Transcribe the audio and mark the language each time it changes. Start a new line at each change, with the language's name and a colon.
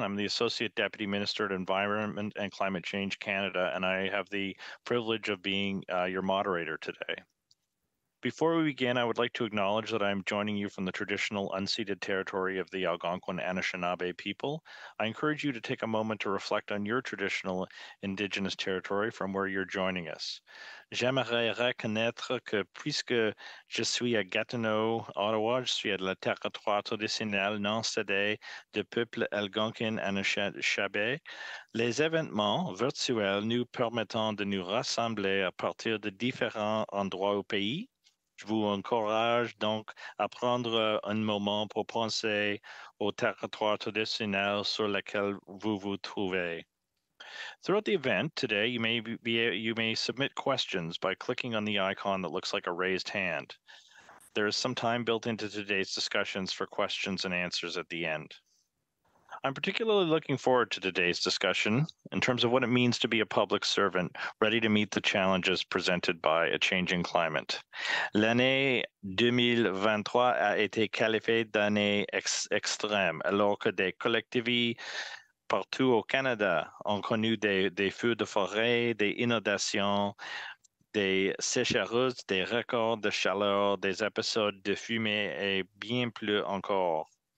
English: I'm the Associate Deputy Minister at Environment and Climate Change Canada, and I have the privilege of being your moderator today. Before we begin, I would like to acknowledge that I am joining you from the traditional unceded territory of the Algonquin Anishinaabe people. I encourage you to take a moment to reflect on your traditional Indigenous territory from where you're joining us.
French: J'aimerais reconnaître que puisque je suis à Gatineau, Ottawa, je suis à la terre traditionnelle non cédée du peuple Algonquin Anishinaabe. Les événements virtuels nous permettent de nous rassembler à partir de différents endroits au pays. Je vous encourage donc à prendre un moment pour penser au territoire traditionnel sur lequel vous vous trouvez.
English: Throughout the event today, you may submit questions by clicking on the icon that looks like a raised hand. There is some time built into today's discussions for questions and answers at the end. I'm particularly looking forward to today's discussion in terms of what it means to be a public servant ready to meet the challenges presented by a changing climate.
French: L'année 2023 a été qualifiée d'année extrême, alors que des collectivités partout au Canada ont connu des feux de forêt, des inondations, des sécheresses, des records de chaleur, des épisodes de fumée et bien plus encore.